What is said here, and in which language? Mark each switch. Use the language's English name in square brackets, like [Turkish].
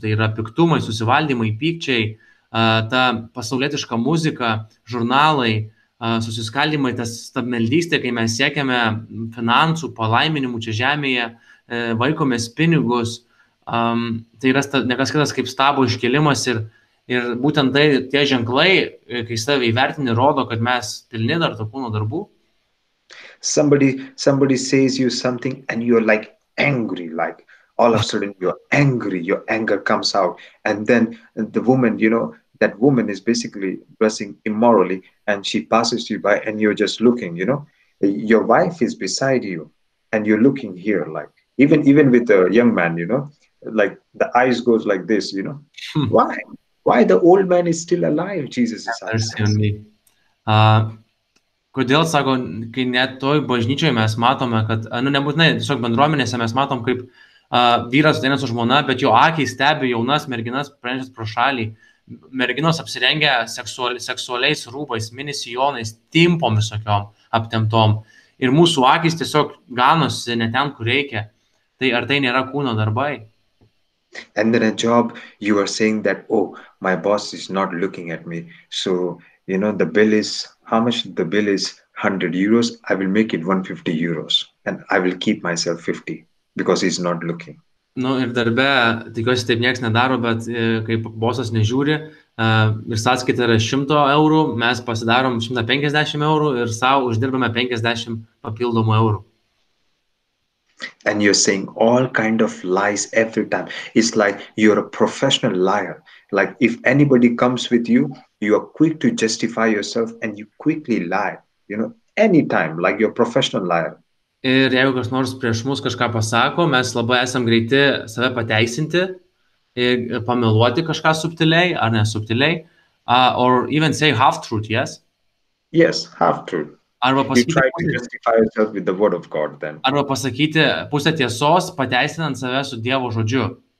[Lithuanian] Tai yra piktumai, susivaldymai, pykčiai, ta pasaulietiška muzika, žurnalai, susiskaldymai, tas stabmeldystė, kai mes siekiame finansų, palaiminimų čia žemėje, vaikomės pinigus, tai yra nekas kitas kaip stabo iškelimas ir būtent tai, tie ženklai, kai save įvertini, rodo, kad mes pilni dar to kūno darbų. [English] Somebody says you something and you're like angry, like all of a sudden you're angry, your anger comes out, and then the woman, you know, that woman is basically dressing immorally and she passes you by and you're just looking, you know, your wife is beside you and you're looking here, like even with the young man, you know, like the eyes goes like this, you know, why the old man is still alive, Jesus is asking. [Lithuanian] Kodėl, sako, kai net toj bažnyčioje mes matome, kad, nu, nebūtinai, tiesiog bendruomenėse mes matom, kaip vyras ateina su žmona, bet jo akiai stebi jaunas merginas praėjusias pro šalį. Merginos apsirengia seksualiais rūbais, minisijonais, timpom visokiom aptemtom. Ir mūsų akis tiesiog ganosi ne ten, kur reikia. Tai ar tai nėra kūno darbai? [English] And then a job, you are saying that, oh, my boss is not looking at me, so, you know, the bill is, how much the bill is, 100 euros, I will make it 150 euros, and I will keep myself 50, because he's not looking. [Lithuanian] Nu, ir darbe, tikiuosi, taip nieks nedaro, bet kaip bosas nežiūri, ir sąskaita yra 100 eurų, mes pasidarom 150 eurų ir savo uždirbame 50 papildomų eurų. [English] And you're saying all kind of lies every time. It's like you're a professional liar. Like if anybody comes with you, you are quick to justify yourself and you quickly lie. You know, anytime, like you're a professional liar. [Lithuanian] Ir jeigu kas nors prieš mus kažką pasako, mes labai esam greiti save pateisinti ir pameluoti kažką subtiliai ar nesubtiliai. [English] Or even say half-truth, yes? Yes, half-truth. [Lithuanian] Arba pasakyti, [English] you try to justify yourself with the word of God then. [Lithuanian] Arba pasakyti pusę tiesos, pateisinant save su Dievo žodžiu.